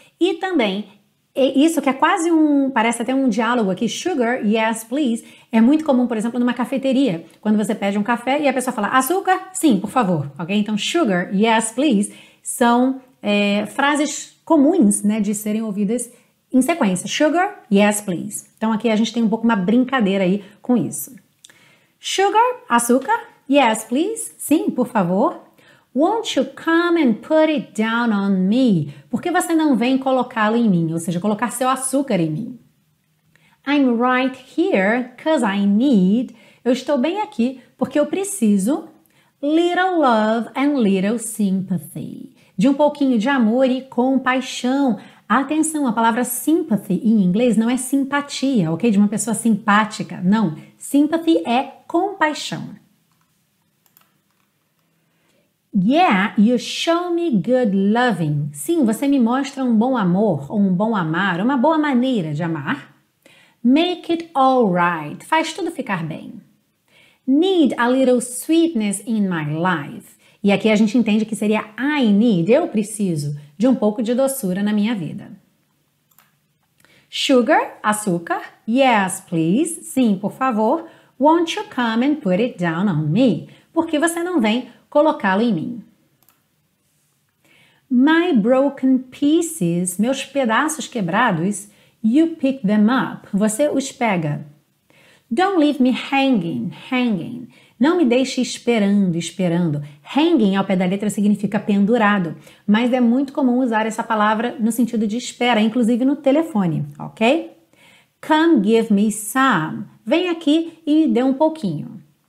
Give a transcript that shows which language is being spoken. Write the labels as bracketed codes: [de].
[pt] E também, isso que é quase parece até um diálogo aqui, [en] sugar, yes, please, [pt] é muito comum, por exemplo, numa cafeteria, quando você pede um café e a pessoa fala, açúcar, sim, por favor, ok? Então, [en] sugar, yes, please, [pt] são frases comuns, né, de serem ouvidas em sequência, [en] sugar, yes, please. [pt] Então, aqui a gente tem um pouco uma brincadeira aí com isso. [en] Sugar, [pt] açúcar, [en] yes, please, [pt] sim, por favor. [en] Won't you come and put it down on me? [pt] Por que você não vem colocá-lo em mim? Ou seja, colocar seu açúcar em mim. [en] I'm right here because I need. [pt] Eu estou bem aqui porque eu preciso. [en] Little love and little sympathy. [pt] De um pouquinho de amor e compaixão. Atenção, a palavra sympathy em inglês não é simpatia, ok? De uma pessoa simpática. Não. Sympathy é compaixão. [en] Yeah, you show me good loving. [pt] Sim, você me mostra um bom amor, ou um bom amar, uma boa maneira de amar. [en] Make it all right. [pt] Faz tudo ficar bem. [en] Need a little sweetness in my life. [pt] E aqui a gente entende que seria I need, eu preciso, de um pouco de doçura na minha vida. Sugar, açúcar. [en] Yes, please. [pt] Sim, por favor. [en] Won't you come and put it down on me? [pt] Porque você não vem colocá-lo em mim. [en] My broken pieces, [pt] meus pedaços quebrados, [en] you pick them up, [pt] você os pega. [en] Don't leave me hanging, hanging. [pt] Não me deixe esperando, esperando. Hanging, ao pé da letra, significa pendurado. Mas é muito comum usar essa palavra no sentido de espera, inclusive no telefone, ok? [en] Come give me some. [pt] Vem aqui e dê um pouquinho.